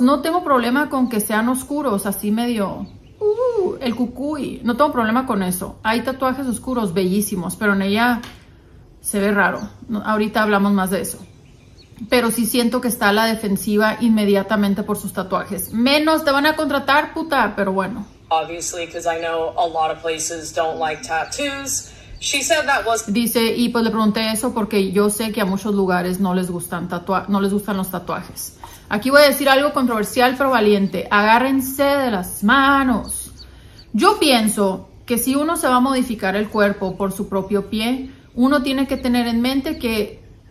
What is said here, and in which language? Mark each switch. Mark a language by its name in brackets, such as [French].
[Spanish] No tengo problema con que sean oscuros, así medio el cucuy. No tengo problema con eso. Hay tatuajes oscuros bellísimos, pero en ella se ve raro. No, ahorita hablamos más de eso. Pero sí siento que está a la defensiva inmediatamente por sus tatuajes. Menos te van a contratar, puta, pero bueno. [English] Obviously, because I know a lot of places don't like tattoos. She said that was... [Spanish] Dice, y pues le pregunté eso porque yo sé que a muchos lugares no les gustan no les gustan los tatuajes. Aquí voy a decir algo controversial pero valiente. Agárrense de las manos. Yo pienso que si uno se va a modificar el cuerpo por su propio pie, uno tiene que tener en mente que